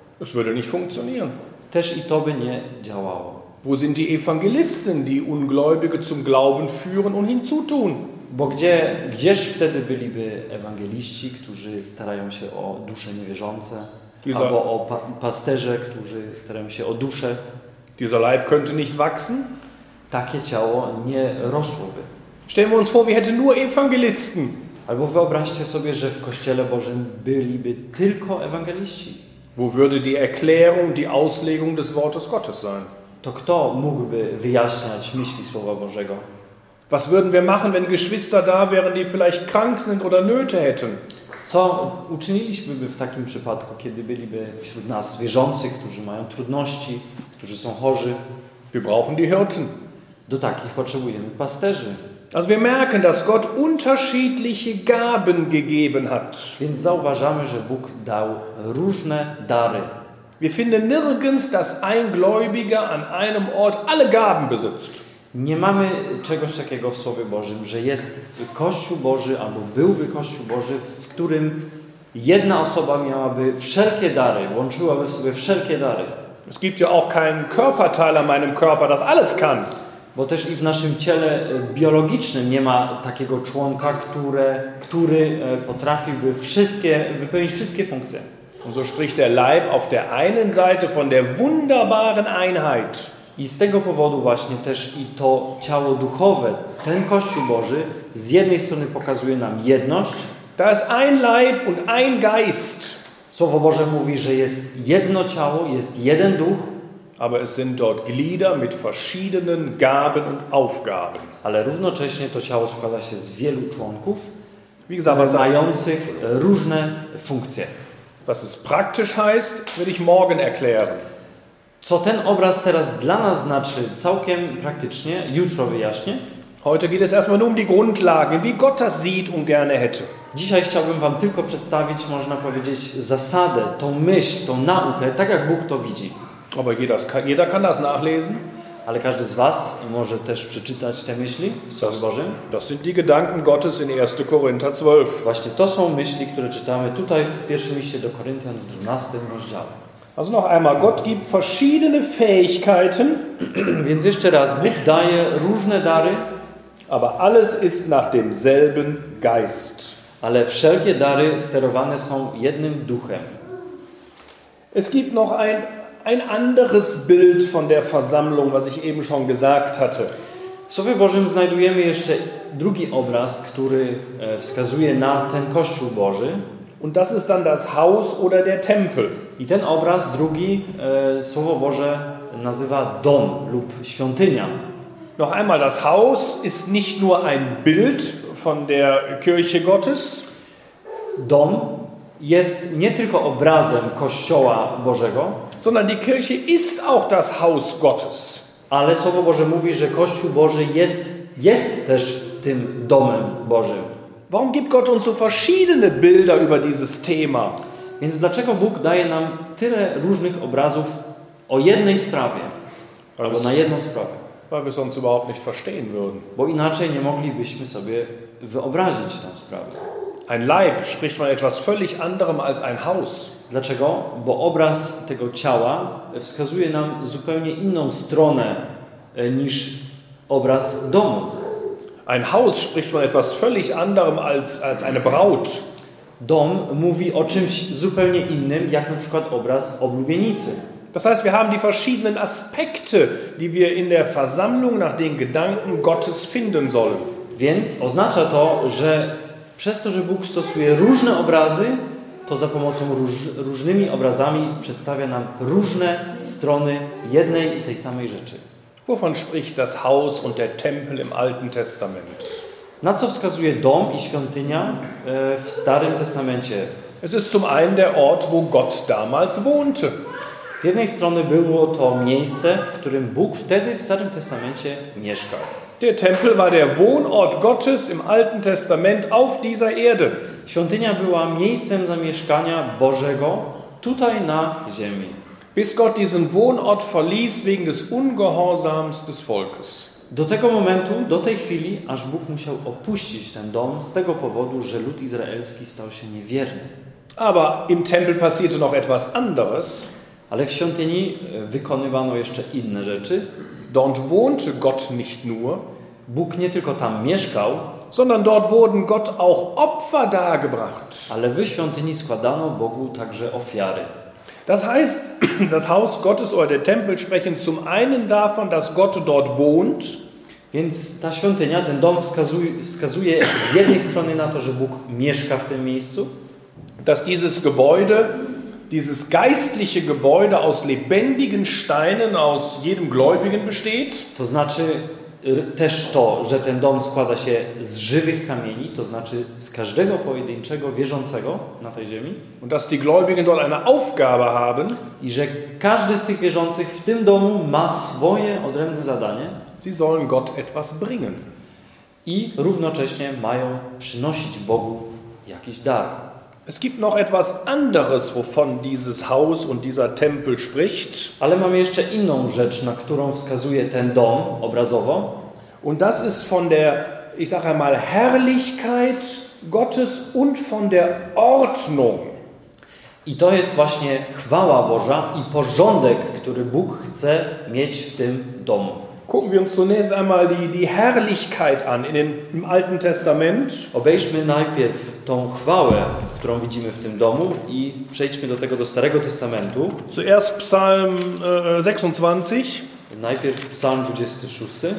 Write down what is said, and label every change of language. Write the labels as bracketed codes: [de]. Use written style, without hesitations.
[de] Es würde nicht funktionieren. [pl] Też i to by nie działało. [de] Wo sind die Evangelisten, die Ungläubige zum Glauben führen und hinzutun? [pl] Bo gdzież wtedy byliby ewangeliści, którzy starają się o dusze niewierzące, [de] dieser, [pl] albo o pasterze, którzy starają się o dusze? [de] Dieser Leib könnte nicht wachsen. [pl] Takie ciało nie rosłoby. [de] Stellen wir uns vor, wir hätten nur Evangelisten. [pl] Albo wyobraźcie sobie, że w Kościele Bożym byliby tylko ewangeliści. [de] Wo würde die Erklärung, die Auslegung des Wortes Gottes sein? [pl] To kto mógłby wyjaśniać myśli Słowa Bożego? [de] Was würden wir machen, wenn Geschwister da wären, die vielleicht krank sind oder Nöte hätten? [pl] Co uczynilibyśmy w takim przypadku, kiedy byliby wśród nas wierzący, którzy mają trudności, którzy są chorzy? [de] Wir brauchen die Hirten. [pl] Do takich potrzebujemy pasterzy. [de] Also wir merken, dass Gott unterschiedliche Gaben gegeben hat. [pl] Więc zauważamy, że Bóg dał różne dary. [de] Wir finden nirgends, dass ein Gläubiger an einem Ort alle Gaben besitzt. [pl] Nie mamy czegoś takiego w Słowie Bożym, że jest Kościół Boży, albo byłby Kościół Boży, w którym jedna osoba miałaby wszelkie dary, łączyłaby w sobie wszelkie dary. [de] Es gibt ja auch keinen Körperteil an meinem Körper, das alles kann. [pl] Bo też i w naszym ciele biologicznym nie ma takiego członka, który potrafiłby wypełnić wszystkie funkcje. [de] Und so spricht der Leib auf der einen Seite von der wunderbaren Einheit. [pl] I z tego powodu właśnie też i to ciało duchowe, ten Kościół Boży, z jednej strony pokazuje nam jedność. [de] Da ist ein Leib und ein Geist. [pl] Słowo Boże mówi, że jest jedno ciało, jest jeden duch. [de] Aber es sind dort Glieder mit verschiedenen Gaben und Aufgaben. [pl] Ale równocześnie to ciało składa się z wielu członków, mających różne funkcje. [de] Was es praktisch heißt, werde ich morgen erklären. [pl] Co ten obraz teraz dla nas znaczy, całkiem praktycznie, jutro wyjaśnię. [de] Heute geht es erstmal nur um die Grundlagen, wie Gott das sieht und gerne hätte. [pl] Dzisiaj chciałbym wam tylko przedstawić, można powiedzieć, zasadę, tą myśl, tą naukę, tak jak Bóg to widzi. [de] Aber jeder kann das nachlesen. [pl] Ale każdy z was może też przeczytać te myśli w Słowie Bożym. [de] Das sind die Gedanken Gottes in 1. Korinther 12. [pl] Właśnie to są myśli, które czytamy tutaj w pierwszym liście do Koryntian w 12 rozdziale. [de] Also noch einmal, Gott gibt verschiedene Fähigkeiten. [pl] Więc jeszcze raz, Bóg daje różne dary. [de] Aber alles ist nach demselben Geist. [pl] Ale wszelkie dary sterowane są jednym duchem. [de] Es gibt noch ein anderes Bild von der Versammlung, was ich eben schon gesagt hatte. [pl] W Słowie Bożym znajdujemy jeszcze drugi obraz, który wskazuje na ten Kościół Boży. [de] Und das ist dann das Haus oder der Tempel. [pl] I ten obraz drugi Słowo Boże nazywa dom lub świątynia. [de] Noch einmal, das Haus ist nicht nur ein Bild von der Kirche Gottes. [pl] Dom jest nie tylko obrazem Kościoła Bożego, [de] sondern die Kirche ist auch das Haus Gottes. [pl] Ale Słowo Boże mówi, że Kościół Boży jest też tym domem Bożym. [de] Warum gibt Gott uns so verschiedene Bilder über dieses Thema? [pl] Więc dlaczego Bóg daje nam tyle różnych obrazów o jednej sprawie? Albo na jedną sprawę. [de] Weil wir sonst überhaupt nicht verstehen würden. [pl] Bo inaczej nie moglibyśmy sobie wyobrazić tę sprawę. [de] Ein Leib spricht von etwas völlig anderem als ein Haus. [pl] Dlaczego? Bo obraz tego ciała wskazuje nam zupełnie inną stronę niż obraz domu. [de] Ein Haus spricht von etwas völlig anderem als eine Braut. [pl] Dom mówi o czymś zupełnie innym, jak na przykład obraz oblubienicy. [de] Das heißt, wir haben die verschiedenen Aspekte, die wir in der Versammlung nach den Gedanken Gottes finden sollen. [pl] Więc oznacza to, że przez to, że Bóg stosuje różne obrazy, to za pomocą różnymi obrazami przedstawia nam różne strony jednej i tej samej rzeczy. [de] Wovon spricht das Haus und der Tempel im Alten Testament? [pl] Na co wskazuje dom i świątynia w Starym Testamencie? [de] Es ist zum einen der Ort, wo Gott damals wohnte. [pl] Z jednej strony było to miejsce, w którym Bóg wtedy w Starym Testamencie mieszkał. [de] Der Tempel war der Wohnort Gottes im Alten Testament auf dieser Erde. [pl] Świątynia była miejscem zamieszkania Bożego tutaj na ziemi. [de] Bis Gott diesen Wohnort verließ wegen des Ungehorsams des Volkes. [pl] Do tego momentu, do tej chwili, aż Bóg musiał opuścić ten dom z tego powodu, że lud izraelski stał się niewierny. [de] Aber im Tempel passierte noch etwas anderes. [pl] Ale w świątyni wykonywano jeszcze inne rzeczy. [de] Dort wohnte Gott nicht nur. [pl] Bóg nie tylko tam mieszkał, [de] sondern dort wurden Gott auch Opfer dargebracht. [pl] Ale w świątyni składano Bogu także ofiary. [de] Das heißt, das Haus Gottes oder der Tempel sprechen zum einen davon, dass Gott dort wohnt. [pl] Więc ta świątynia, ten dom wskazuje z jednej strony na to, że Bóg mieszka w tym miejscu. [de] Dass dieses Gebäude, dieses geistliche Gebäude aus lebendigen Steinen aus jedem Gläubigen besteht. [pl] To znaczy też to, że ten dom składa się z żywych kamieni, to znaczy z każdego pojedynczego wierzącego na tej ziemi. [de] Und dass die Gläubigen dort eine Aufgabe haben. [pl] I że każdy z tych wierzących w tym domu ma swoje odrębne zadanie. [de] Sie sollen Gott etwas bringen. [pl] I równocześnie mają przynosić Bogu jakiś dar. [de] Es gibt noch etwas anderes, wovon dieses Haus und dieser Tempel spricht. [pl] Ale mamy jeszcze inną rzecz, na którą wskazuje ten dom obrazowo. [de] Und das ist von der, ich sage mal, Herrlichkeit Gottes und von der Ordnung. [pl] I to jest właśnie chwała Boża i porządek, który Bóg chce mieć w tym domu. [de] Gucken wir uns zunächst einmal die Herrlichkeit an im Alten Testament. [pl] Obejrzmy najpierw tą chwałę, którą widzimy w tym domu i przejdźmy do tego do Starego Testamentu. [de] Zuerst Psalm 26. [pl] Najpierw Psalm 26.